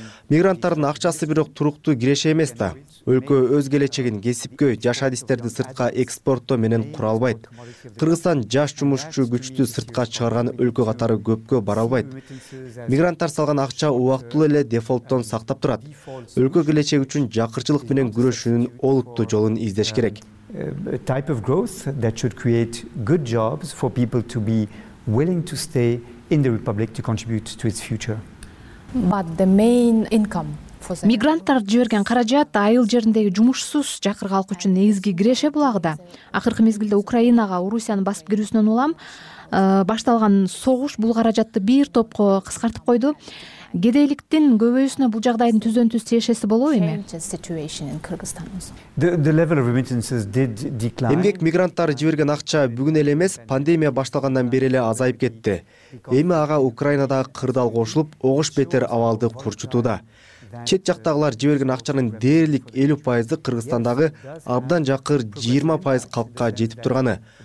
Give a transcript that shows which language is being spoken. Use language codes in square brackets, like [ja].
[ky] Мигранттардын акчасы бирок туруктуу киреше эмес да. Өлкө өз келечегин кесипке, жаш адистерди сыртка экспорттоо менен кура албайт. Кыргызстан жаш жумушчу күчтү сыртка чыгарган өлкө катары көпкө бара албайт. Мигранттар салган акча убактылуу эле дефолттон сактап турат. Өлкө келечеги үчүн жакырчылык менен күрөшүүнүн олуттуу жолун издеш керек. [en] Type of growth that should create good jobs for people to be willing to stay in the republic to contribute to its future. But the main income [ky] Мигранттар жиберген каражат айыл жериндеги жумушсуз жакыр калкы үчүн негизги киреше булагыда. Акыркы мезгилде Украинага Орусиянын басып кирүүсүнөн улам башталган согуш бул каражатты бир топко кыскартып койду. Кедейликтин көбөйүүсүнө бул жагдайдын түздөн-түз тиешеси болобу эми? [en] The level of remittances did decline. [ky] Эмгек мигранттары жиберген акча бүгүн эле эмес, пандемия башталгандан бери эле азайып кетти. Эми ага Украинадагы кырдаал кошулуп, огош бетер абалды курчутууда. Чет жактагылар жиберген акчанын дээрлик 50% Кыргызстандагы абдан жакыр 20% калкка жетип турганы.